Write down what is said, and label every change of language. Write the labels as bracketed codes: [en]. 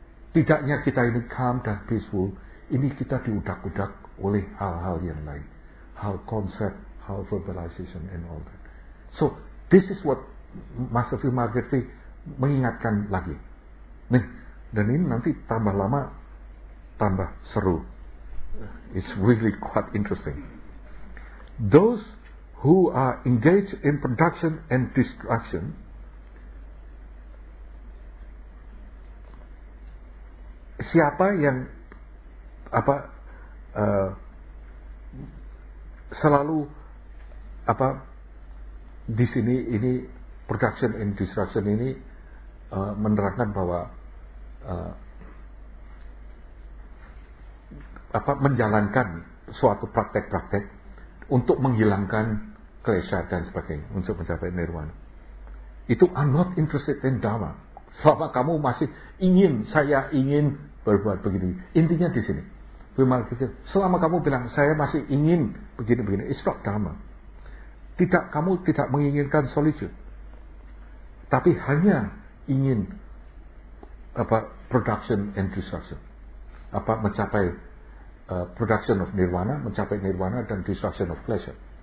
[id] Tidaknya kita ini calm dan peaceful, ini kita diudak-udak oleh hal-hal yang lain, hal konsep, hal [en] verbalization and all that. So this is what Master Phil Margetti [id] mengingatkan lagi. Nih, dan ini nanti tambah lama tambah seru. [en] It's really quite interesting. Those who are engaged in production and destruction, [id] siapa yang selalu di sini ini production and destruction ini menerangkan bahwa menjalankan suatu praktek-praktek untuk menghilangkan klesha dan sebagainya, untuk mencapai nirwana. Itu [en] I'm not interested in Dharma. [id] Selama kamu masih ingin, saya ingin berbuat begini. Intinya di sini. Bimal kecil. Selama kamu bilang saya masih ingin begini-begini, [en] it's not dharma. [id] Tidak, kamu tidak menginginkan solitude, tapi hanya ingin apa [en] production and destruction, [id] apa mencapai [en] production of nirvana, [id] mencapai nirvana dan [en] destruction of pleasure.